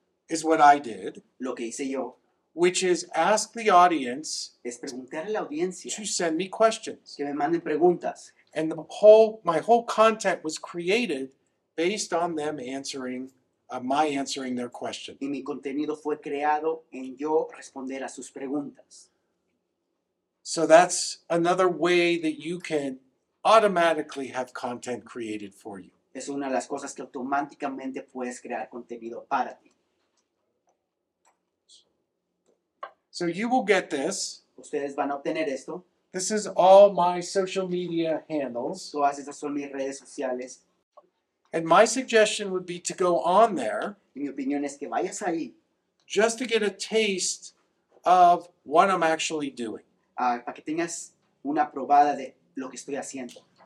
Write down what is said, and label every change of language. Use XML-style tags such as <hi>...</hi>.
<en>Is what I did.</en> <es>Lo que hice yo.</es> <en>Which is ask the audience.</en> <es>Es preguntar a la audiencia.</es> <en>To send me questions.</en> <es>Que me manden preguntas.</es> <en>And my whole content was created based on them answering my answering their question.</en> <es>Y mi contenido fue creado en yo responder a sus preguntas.</es> <en>So that's another way that you can automatically have content created for you.</en> <es>Es una de las cosas que automáticamente puedes crear contenido para ti.</es> <en>So you will get this.</en> <es>Ustedes van a obtener esto.</es> <en>This is all my social media handles.</en> <es>Todas esas son mis redes sociales.</es> <en>And my suggestion would be to go on there.</en> <es>Y mi opinión es que vayas ahí.</es> <en>Just to get a taste of what I'm actually doing.</en> <es>Para que tengas una probada de lo que estoy haciendo.</es>